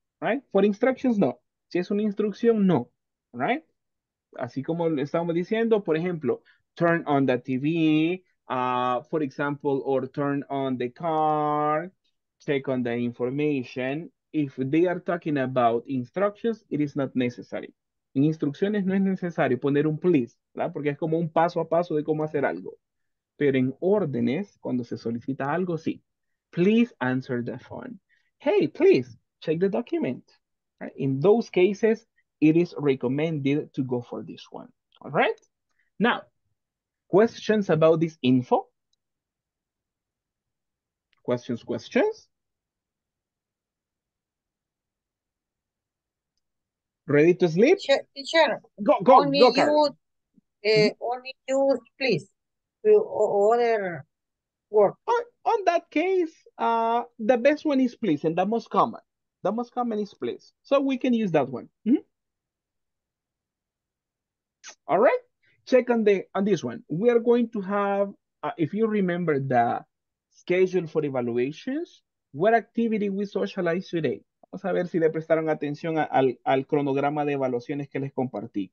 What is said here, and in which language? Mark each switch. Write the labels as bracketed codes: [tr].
[en] Right? For instructions, no. [es] Si es una instrucción, no. [en] Right? [es] Así como estamos diciendo, por ejemplo, [en] turn on the TV, for example, or turn on the car, check on the information. If they are talking about instructions, it is not necessary. [es] En instrucciones no es necesario poner un please, ¿verdad? Porque es como un paso a paso de cómo hacer algo. Pero en órdenes, cuando se solicita algo, sí. [en] Please answer the phone. Hey, please, check the document. In those cases, it is recommended to go for this one. All right? Now, questions about this info? Questions? Ready to sleep? Teacher. Go, only go, you, only you, please, order work. On that case, the best one is please, and the most common. The most common is please. So we can use that one. Mm-hmm. All right, check on this one. We are going to have, if you remember the schedule for evaluations, what activity we socialize today? [es] Vamos a ver si le prestaron atención al cronograma de evaluaciones que les compartí.